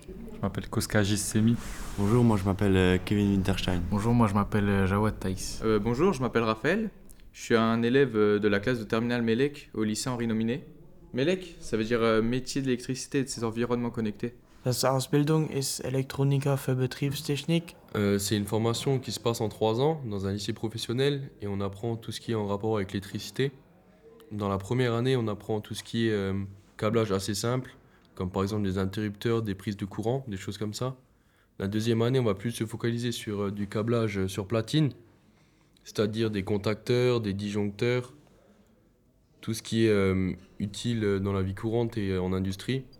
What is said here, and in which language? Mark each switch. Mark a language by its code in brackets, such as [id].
[fr] Je m'appelle Koska Gissemi. Bonjour, moi je m'appelle Kevin Winterstein. Bonjour, moi je m'appelle Jawad Taïs. Bonjour, je m'appelle Raphaël. Je suis un élève de la classe de terminale MELEC au lycée Henri Nominé. MELEC, ça veut dire métier de l'électricité et de ses environnements connectés. [de] Das Ausbildung ist Elektronika für Betriebstechnik. [fr] C'est une formation qui se passe en 3 ans dans un lycée professionnel et on apprend tout ce qui est en rapport avec l'électricité. Dans la première année, on apprend tout ce qui est câblage assez simple, comme par exemple des interrupteurs, des prises de courant, des choses comme ça. La deuxième année, on va plus se focaliser sur du câblage sur platine, c'est-à-dire des contacteurs, des disjoncteurs, tout ce qui est utile dans la vie courante et en industrie.